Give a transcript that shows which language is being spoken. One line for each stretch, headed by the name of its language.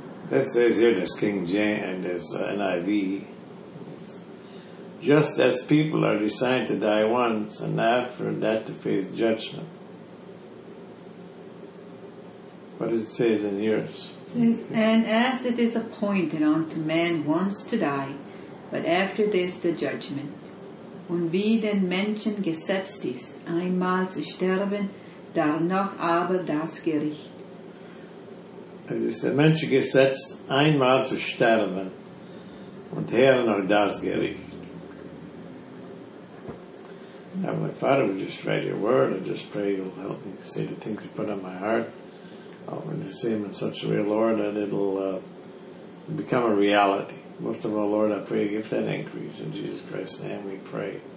English: That says here, this King James and this NIV. Just as people are designed to die once, and after that to face judgment. What does it say in yours? And as it is appointed unto man once to die, but after this the judgment.
German: Und wie den Menschen gesetzt ist, einmal zu sterben, danach aber das Gericht. Es ist der Mensch gesetzt, einmal zu sterben, und hernach das Gericht.
English: Heavenly Father, we just read your word. I just pray you'll help me say the things you put on my heart. I'm going to say them in such a way, Lord, that it'll become a reality. Most of all, Lord, I pray you give that increase. In Jesus Christ's name we pray.